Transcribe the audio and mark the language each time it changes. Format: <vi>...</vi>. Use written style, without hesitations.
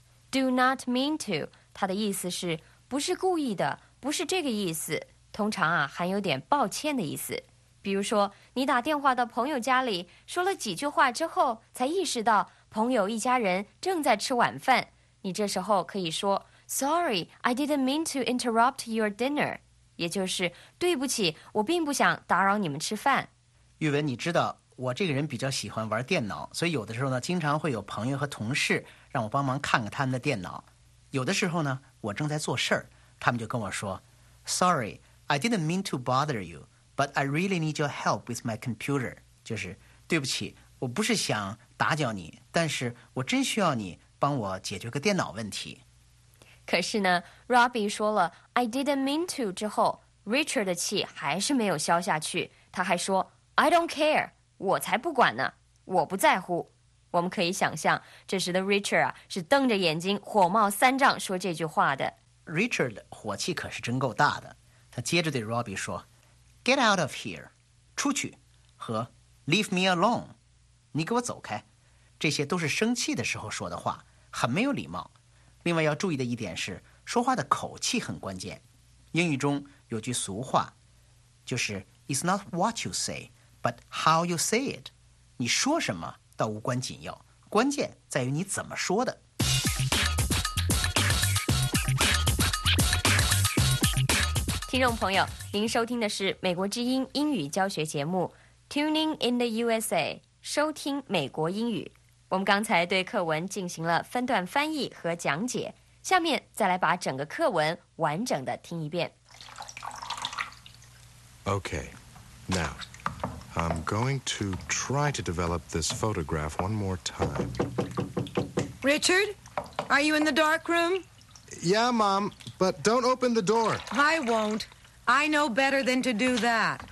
<en>Do not mean to.</en> <zh>他的意思是不是故意的，不是这个意思。通常啊含有点抱歉的意思。比如说你打电话到朋友家里说了几句话之后才意识到朋友一家人正在吃晚饭。你这时候可以说</zh> <en>Sorry, I didn't mean to interrupt your dinner.</en> <zh>也就是对不起，我并不想打扰你们吃饭。玉文，你知道我这个人比较喜欢玩电脑，所以有的时候呢，经常会有朋友和同事让我帮忙看看他们的电脑。有的时候呢，我正在做事儿，他们就跟我说</zh> <en>，Sorry, I didn't mean to bother you, but I really need your help with my computer.</en> <zh>就是对不起，我不是想打搅你，但是我真需要你帮我解决个电脑问题。可是呢 ，Robbie 说了</zh> <en>"I didn't mean to"</en> <zh>之后 ，Richard 的气还是没有消下去。他还说</zh> <en>"I don't care,"</en> <zh>我才不管呢，我不在乎。我们可以想象，这时的 Richard 啊是瞪着眼睛火冒三丈说这句话的。 Richard 火气可是真够大的。他接着对 Robbie 说</zh> <en>"Get out of here,"</en> <zh>出去，和</zh> <en>"Leave me alone,"</en> <zh>你给我走开。这些都是生气的时候说的话，很没有礼貌。另外要注意的一点是说话的口气很关键。英语中有句俗话就是</zh> <en>It's not what you say, but how you say it.</en> <zh>你说什么倒无关紧要，关键在于你怎么说的。听众朋友，您收听的是美国之音英语教学节目 Tuning in the USA， 收听美国英语。我们刚才对课文进行了分段翻译和讲解，下面再来把整个课文完整的听一遍。</zh> <en>Okay, now, I'm going to try to develop this photograph one more time. Richard, are you in the dark room? Yeah, Mom, but don't open the door. I won't. I know better than to do that.</en>